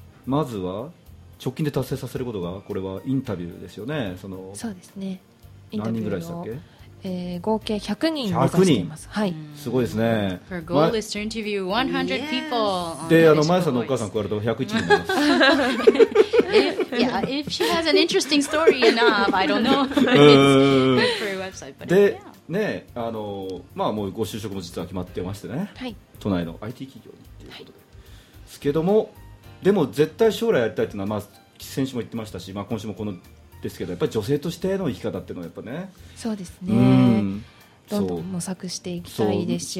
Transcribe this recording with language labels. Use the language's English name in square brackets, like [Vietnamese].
[Japanese] まずは直近で達成させることがこれはインタビューですよね。そうですね。何人ぐらいでしたっけ？合計100人目指しています、はい、すごいですね。 [English] Her goal is to interview 100 people. [Japanese] で、マヤさんのお母さん加えると101人目指す。 [English] if she has an interesting story enough, I don't know. [Japanese] で、ね、まあ、もうご就職も実は決まってましてね、はい、都内の IT 企業にっていうことで、はい、ですけども、でも絶対将来やりたいっていうのは、まあ、先週も言ってましたし、まあ、今週もこのですけど、やっぱり女性としての生き方っていうのはやっぱね、そうですね、うん、どんどん模索していきたいですし、